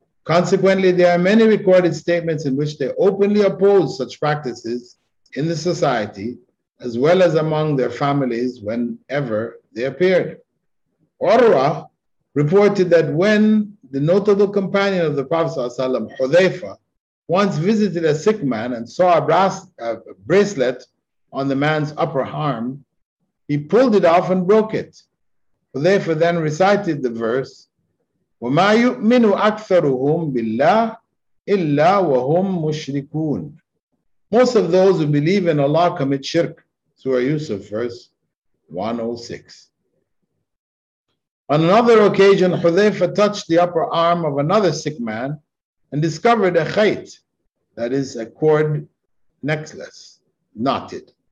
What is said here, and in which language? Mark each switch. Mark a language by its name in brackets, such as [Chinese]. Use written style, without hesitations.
[English] Consequently, there are many recorded statements in which they openly oppose such practices in the society, as well as among their families whenever they appeared. Urwa reported that when the notable companion of the Prophet, Hudhayfa, once visited a sick man and saw a bracelet on the man's upper arm, he pulled it off and broke it. Hudhayfa then recited the verse, [Arabic] وَمَا يُؤْمِنُ أَكْثَرُهُمْ بِاللَّهِ إِلَّا وَهُمْ مُشْرِكُونَ. [English] Most of those who believe in Allah commit shirk. Surah Yusuf, verse 106. On another occasion, Hudhayfa touched the upper arm of another sick man and discovered a khayt, that is a cord necklace, knotted.